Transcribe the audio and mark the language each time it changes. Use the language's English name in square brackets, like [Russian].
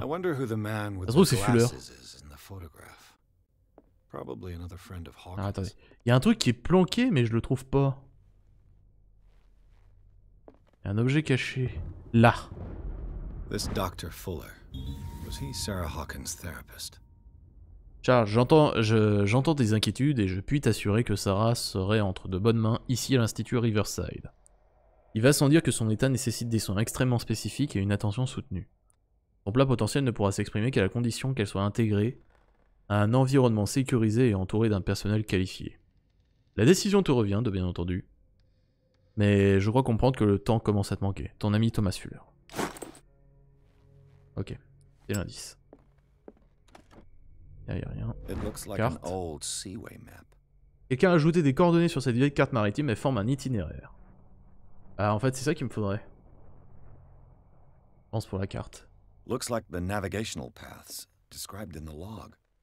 [English] I wonder who the man with the glasses is in the photograph. Probably another friend of Hawkins. [French] Ah, attendez. Il y a un truc qui est planqué, mais je le trouve pas. Un objet caché. Là. [English] This Dr. Fuller. Was he Sarah Hawkins' therapist? [French] Charles, j'entends tes inquiétudes et je puis t'assurer que Sarah serait entre de bonnes mains ici à l'Institut Riverside. Il va sans dire que son état nécessite des soins extrêmement spécifiques et une attention soutenue. Son plat potentiel ne pourra s'exprimer qu'à la condition qu'elle soit intégrée à un environnement sécurisé et entourée d'un personnel qualifié. La décision te revient, de bien entendu. Mais je crois comprendre que le temps commence à te manquer. Ton ami Thomas Fuller. Ok, c'est l'indice. Là, y a rien. Carte. Quelqu'un a ajouté des coordonnées sur cette vieille carte maritime et forme un itinéraire. Ah, en fait, c'est ça qu'il me faudrait. Je pense pour la carte. [English] Looks like the navigational paths described in the log.